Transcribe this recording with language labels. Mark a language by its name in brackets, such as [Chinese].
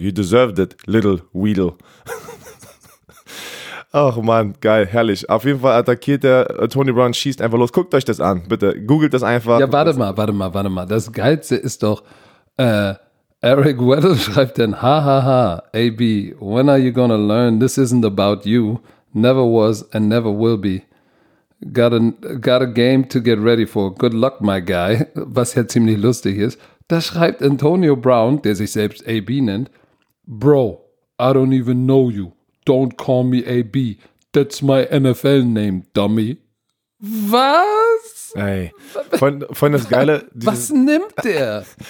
[English] You deserved it, little Weedle. [German] Ach man, geil, herrlich. Auf jeden Fall attackiert der Tony Brown, schießt einfach los. Guckt euch das an, bitte. Googelt das einfach. Ja, warte mal. Das Geilste ist doch, Eric Weddle schreibt dann, ha ha ha, [English] AB, when are you gonna learn? This isn't about you. Never was and never will be. Got a game to get ready for. Good luck, my guy. [German] Was ja ziemlich lustig ist. Da schreibt Antonio Brown, der sich selbst AB nennt, [English] Bro, I don't even know you. Don't call me AB. That's my NFL name, dummy. [German] Was? Ey, von das Geile. Was nimmt der?